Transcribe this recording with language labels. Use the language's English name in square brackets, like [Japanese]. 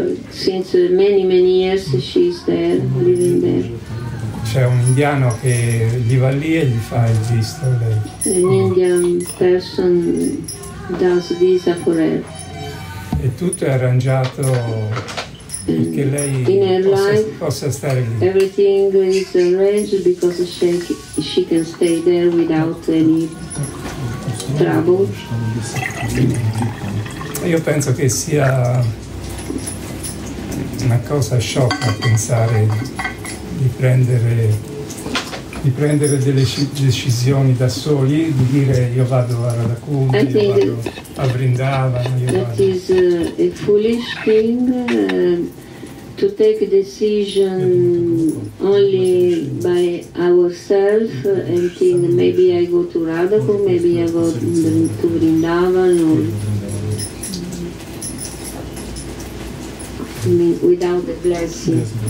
[English] Since many, many years she's there, living there. [Italian] C'è un indiano che gli va lì e gli fa il visto. Lei. [English] An Indian person does visa for her. [Italian] E tutto è arrangiato perché lei [English] in her life, [Italian] possa stare lì. [English] Everything is arranged because she can stay there without any trouble. [Italian] Io penso che sia una cosa sciocca pensare di prendere delle decisioni da soli, di dire io vado a Radha Kunda, io vado a Vrindavan. [English] That is a foolish thing to take decision only by ourselves and think maybe I go to Radha Kunda, maybe I go to Vrindavan or without the blessing,